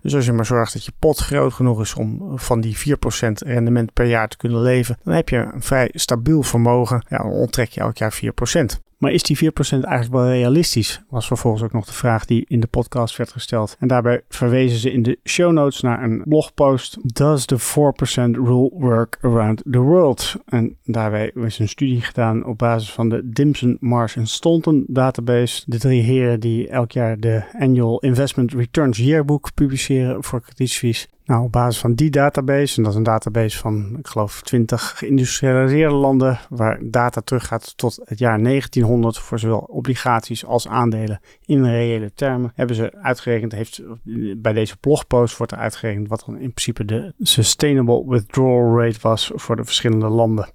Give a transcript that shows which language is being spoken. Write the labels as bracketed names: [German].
[Dutch] Dus als je maar zorgt dat je pot groot genoeg is om van die 4% rendement per jaar te kunnen leven, dan heb je een vrij stabiel vermogen. Ja, dan onttrek je elk jaar 4%. Maar is die 4% eigenlijk wel realistisch? Was vervolgens ook nog de vraag die in de podcast werd gesteld. En daarbij verwezen ze in de show notes naar een blogpost. [English] Does the 4% rule work around the world? [Dutch] En daarbij is een studie gedaan op basis van de Dimpson, Marsh & Staunton database. De 3 heren die elk jaar de Annual Investment Returns Yearbook publiceren voor Credit Suisse. Nou, op basis van die database, en dat is een database van, ik geloof, 20 geïndustrialiseerde landen, waar data teruggaat tot het jaar 1900 voor zowel obligaties als aandelen in reële termen, hebben ze uitgerekend, bij deze blogpost wordt er uitgerekend wat dan in principe de sustainable withdrawal rate was voor de verschillende landen.